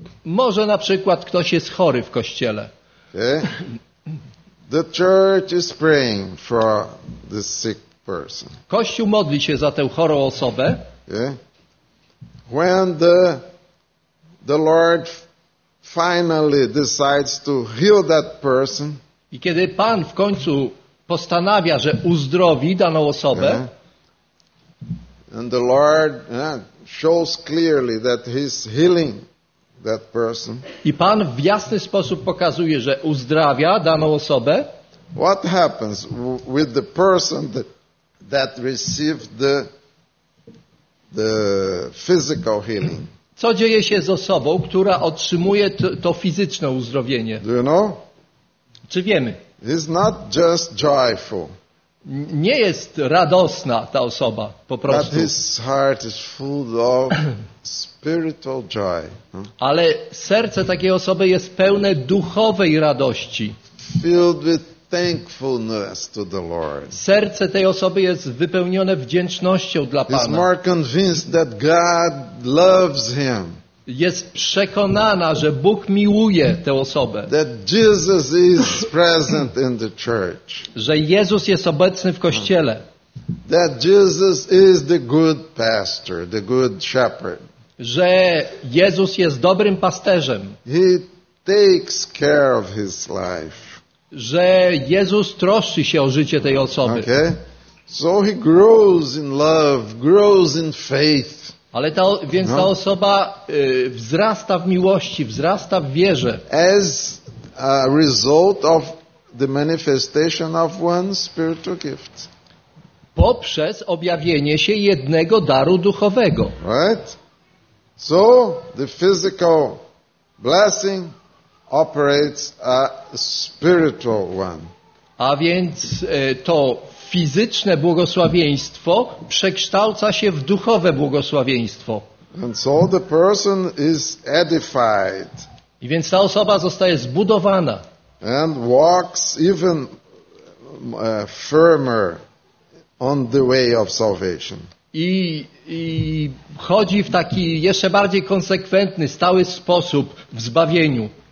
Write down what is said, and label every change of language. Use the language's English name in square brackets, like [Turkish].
[Polish] Może na przykład ktoś jest chory w kościele. [English] Okay. The church is praying for the sick person. [Polish] Kościół modli się za tę chorą osobę. [English] Okay. When the Lord finally decides to heal that person. [Polish] I kiedy Pan w końcu postanawia, że uzdrowi daną osobę. [English] Yeah. And the Lord shows clearly that he's healing that person. [Polish] I Pan w jasny sposób pokazuje, że uzdrawia daną osobę. [English] What happens with the person that received the physical healing? [Polish] Co dzieje się z osobą, która otrzymuje to fizyczne uzdrowienie? [English] Do you know? [Polish] Czy wiemy? [English] It's not just joyful. [Polish] Nie jest radosna ta osoba po prostu. [English] But his heart is full of spiritual joy. [Polish] Ale serce takiej osoby jest pełne duchowej radości. [English] Filled with thankfulness to the Lord. [Polish] Serce tej osoby jest wypełnione wdzięcznością dla Pana. [English] He's more convinced that God loves him. [Polish] Jest przekonana, że Bóg miłuje tę osobę. [English] That Jesus is present in the church. [Polish] Że Jezus jest obecny w kościele. [English] That Jesus is the good pastor, the good shepherd. [Polish] Że Jezus jest dobrym pasterzem. [English] He takes care of his life. [Polish] Że Jezus troszczy się o życie tej osoby. [English] Okay. So he grows in love, grows in faith. [Polish] Ale ta, więc ta osoba wzrasta w miłości, wzrasta w wierze. [English] As a result of the manifestation of one spiritual gift. [Polish] Poprzez objawienie się jednego daru duchowego. [English] Right? So the physical blessing operates a spiritual one. [Polish] A więc to fizyczne błogosławieństwo przekształca się w duchowe błogosławieństwo. [English] And so the person is edified. [Polish] I więc ta osoba zostaje zbudowana. [English] And walks even firmer on the way of salvation. [Polish] I chodzi w taki jeszcze bardziej konsekwentny, stały sposób w zbawieniu.